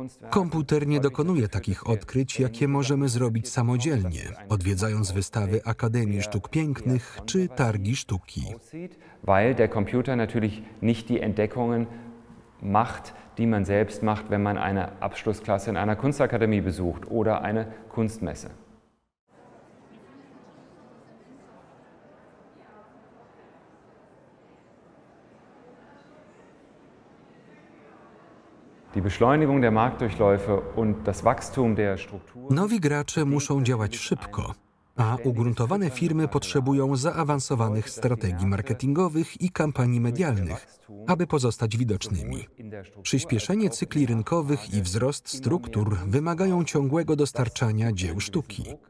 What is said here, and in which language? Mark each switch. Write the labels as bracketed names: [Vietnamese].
[Polish] Komputer nie dokonuje takich odkryć, jakie możemy zrobić samodzielnie, odwiedzając wystawy Akademii Sztuk Pięknych czy Targi Sztuki. [German] Weil der Computer natürlich nicht die Entdeckungen macht, die man selbst macht, wenn man eine Abschlussklasse in einer Kunstakademie besucht oder eine Kunstmesse. Die Beschleunigung der Marktdurchläufe und das Wachstum der Struktur. [Polish] Nowi gracze muszą działać szybko. A ugruntowane firmy potrzebują zaawansowanych strategii marketingowych i kampanii medialnych, aby pozostać widocznymi. Przyspieszenie cykli rynkowych i wzrost struktur wymagają ciągłego dostarczania dzieł sztuki.